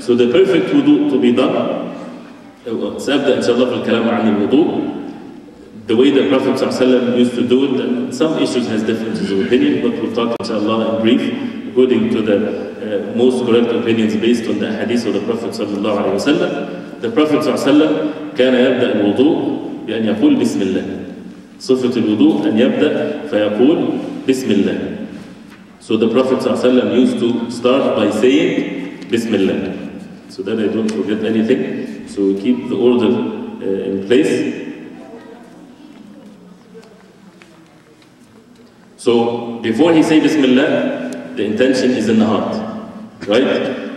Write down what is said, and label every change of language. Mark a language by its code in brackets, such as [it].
[en] So the perfect wudu to be done, [ar] سأبدأ إن شاء الله بالكلام عن الوضوء, [en] the way the Prophet ﷺ used to do it, and some issues has differences of opinion, but we'll talk inshallah in brief, according to the most correct opinions based on the hadith of the Prophet ﷺ. The Prophet ﷺ [ar] كان يبدأ الوضوء بأن يقول بسم الله. صفة الوضوء أن يبدأ فيقول بسم الله. [en] So the Prophet ﷺ used to start by saying Bismillah. So that I don't forget anything. So we keep the order in place. So before he says Bismillah, the intention is in the heart, right?